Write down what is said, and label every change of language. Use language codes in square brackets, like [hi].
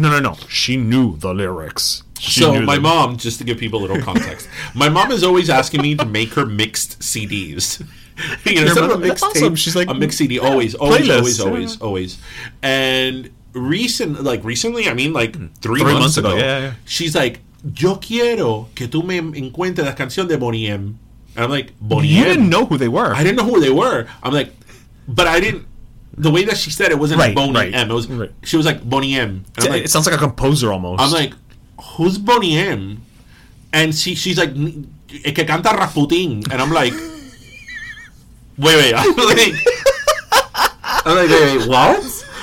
[en] No. She knew the lyrics. So my mom, just to give people a little context, my mom is always asking me to make her mixed CDs. You know, instead of a mixed tape, she's like, a mixed CD. Always. And... recently, I mean, like, three months ago, yeah. She's like, [es] yo quiero que tú me encuentres la canción de Boney M. [en] And I'm like, Boney M? You didn't know who they were. I didn't know who they were. I'm like, but I didn't. The way that she said it wasn't right, Boney M. It was, right. She was like, Boney M. And it sounds like a composer almost. I'm like, who's Boney M? And she's like, [es] el que canta Rasputin. [en] And I'm like, wait, what?